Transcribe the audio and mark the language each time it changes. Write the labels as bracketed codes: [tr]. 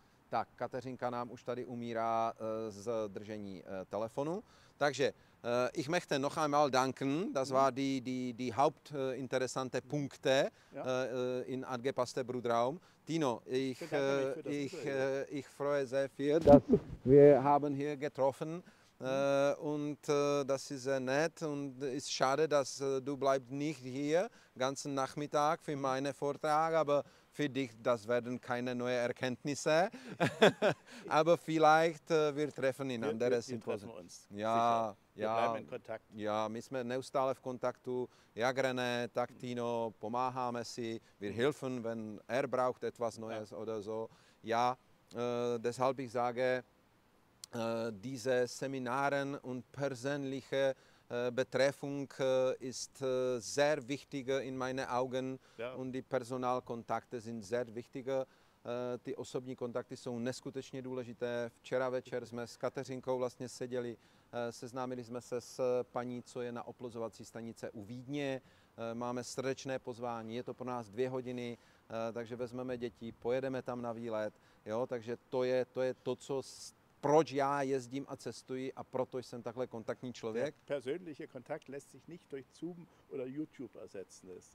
[cs] Tak, Kateřinka nám už tady umírá z držení telefonu. [de] Takže, ich möchte noch einmal danken, das war die hauptinteressante Punkte in Angepasste Brudraum. Tino, ich freue sehr viel, dass wir haben hier getroffen. Und das ist sehr nett und ist schade, dass du bleibst nicht hier ganzen Nachmittag für meinen Vortrag, aber für dich, das werden keine neuen Erkenntnisse, aber vielleicht wir treffen in anderen Symposien. Wir treffen uns. Ja, wir bleiben in Kontakt. [cs] Ja, my jsme neustále v kontaktu, jak René, tak Tino, pomáháme si, [de] wir helfen, wenn braucht etwas Neues oder so. Ja, deshalb ich sage, diese Seminaren und persönliche Betreffung ist sehr wichtig in meinen Augen und die Personalkontakte sind sehr wichtig. [cs] Ty osobní kontakty jsou neskutečně důležité. Včera večer jsme s Kateřinkou vlastně seděli, seznámili jsme se s paní, co je na oplozovací stanice u Vídně. Máme srdečné pozvání, je to pro nás 2 hodiny, takže vezmeme děti, pojedeme tam na výlet. Jo? Takže to je to, co proč já jezdím a cestuji a proto jsem takhle kontaktní člověk. [de] Der persönliche Kontakt lässt sich nicht durch Zoom oder YouTube ersetzen.